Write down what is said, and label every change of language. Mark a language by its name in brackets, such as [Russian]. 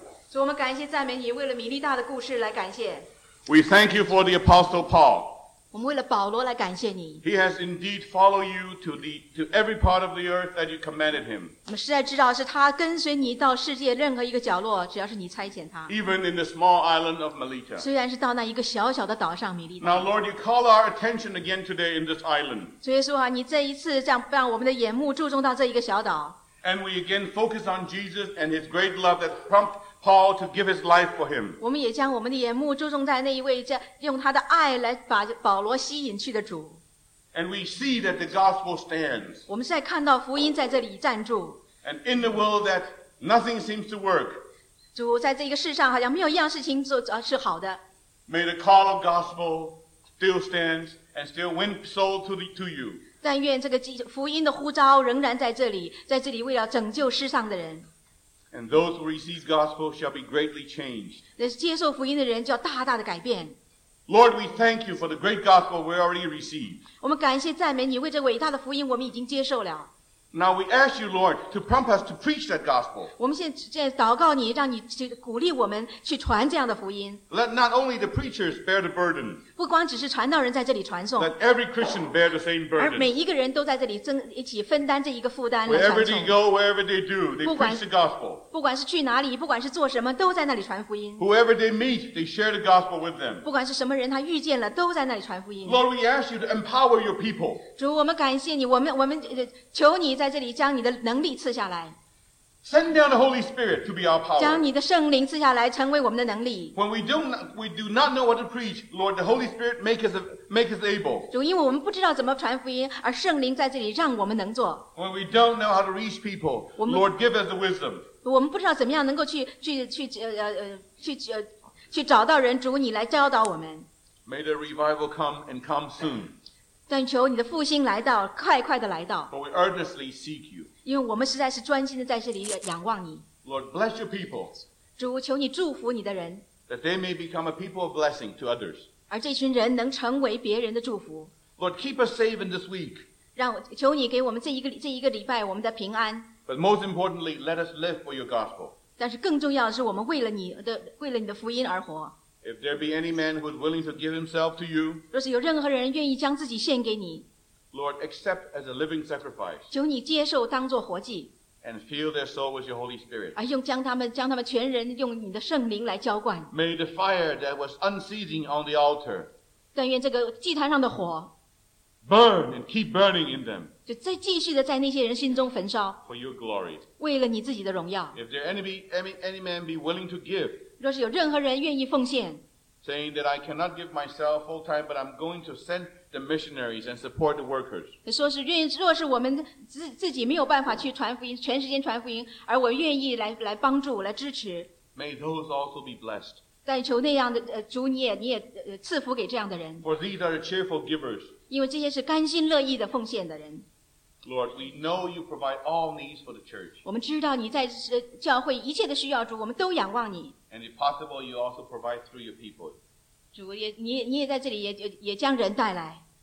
[Chinese] 主，我们感谢赞美你，为了米利大的故事来感谢。 [English] We thank you for the Apostle Paul. [Chinese] 我们为了保罗来感谢你。 [English] He has indeed followed you to every part of the earth that you commanded him. [Chinese] 我们实在知道是他跟随你到世界任何一个角落，只要是你差遣他。 [English] Even in the small island of Melita. [Chinese] 虽然是到那一个小小的岛上米利大。 [English] Now, Lord, you call our attention again today in this island. [Chinese] 主耶稣啊，你这一次这样让我们的眼目注重到这一个小岛。 [English] And we again focus on Jesus and His great love that prompted Paul to give his life for him. [Chinese] 我们也将我们的眼目注重在那一位用他的爱来把保罗吸引去的主。 [English] And we see that the gospel stands. [Chinese] 我们现在看到福音在这里站住。 [English] And in the world that nothing seems to work. [Chinese] 主在这个世上好像没有一样事情是好的。 [English] May the call of gospel still stands and still win soul to you. [Chinese] 但愿这个福音的呼召仍然在这里，在这里为了拯救世上的人。 [English] And those who receive gospel shall be greatly changed. [Chinese] 那接受福音的人就要大大的改变。 [English] Lord, we thank you for the great gospel we already received. [Chinese] 我们感谢赞美你，为这伟大的福音我们已经接受了。 [English] Now we ask you, Lord, to prompt us to preach that gospel. [Chinese] 我们现在祷告你，让你去鼓励我们去传这样的福音。 [English] Let not only the preachers bear the burden. [Chinese] 不光只是传道人在这里传送。 [English] Let every Christian bear the same burden. [Chinese] 而每一个人都在这里一起分担这一个负担来传送。 [English] Wherever they go, wherever they do, they preach the gospel. [Chinese] 不管是去哪里，不管是做什么，都在那里传福音。 [English] Whoever they meet, they share the gospel with them. [Chinese] 不管是什么人他遇见了，都在那里传福音。 [English] Lord, we ask you to empower your people. [Chinese] 主，我们感谢你，我们求你在这里将你的能力赐下来。 [English] Send down the Holy Spirit to be our power. [Chinese] 将你的圣灵赐下来，成为我们的能力。 [English] When we do not know what to preach, Lord, the Holy Spirit make us able. [Chinese] 主，因为我们不知道怎么传福音，而圣灵在这里让我们能做。 [English] When we don't know how to reach people, Lord, give us the wisdom. [Chinese] 我们不知道怎么样能够去找到人，主，你来教导我们。 [English] May the revival come and come soon. [Chinese] 但求你的复兴来到，快快的来到。 [English] For we earnestly seek you. [Chinese] 因为我们实在是专心的在这里仰望你。 [English] Lord, bless your people. [Chinese] 主，求你祝福你的人。 [English] That they may become a people of blessing to others. [Chinese] 而这群人能成为别人的祝福。 [English] Lord, keep us safe in this week. [Chinese] 求你给我们这一个礼拜我们的平安。 [English] But most importantly, let us live for your gospel. [Chinese] 但是更重要的是我们为了你的福音而活。 [English] If there be any man who is willing to give himself to you, [Chinese] 若是有任何人愿意将自己献给你， [English] Lord, accept as a living sacrifice. [Chinese] 求你接受当作活祭。 [English] And fill their soul with your Holy Spirit. [Chinese] 而用将他们全人用你的圣灵来浇灌。 [English] May the fire that was unceasing on the altar. [Chinese] 但愿这个祭坛上的火。 [English] Burn and keep burning in them. [Chinese] 就再继续的在那些人心中焚烧。 [English] For your glory. [Chinese] 为了你自己的荣耀。 [English] If there any man be willing to give. [Chinese] 若是有任何人愿意奉献。 [English] Saying that I cannot give myself full time, but I'm going to send the missionaries and support the workers. [Chinese] 说是愿若是我们自己没有办法去传福音，全时间传福音，而我愿意来帮助来支持。 [English] May those also be blessed. [Chinese] 但求那样的主你也赐福给这样的人。 [English] For these are the cheerful givers. [Chinese] 因为这些是甘心乐意的奉献的人。 [English] Lord, we know you provide all needs for the church. [Chinese] 我们知道你在教会一切的需要，主，我们都仰望你。 [English] And if possible, you also provide through your people. [Chinese] 主，你也在这里也将人带来。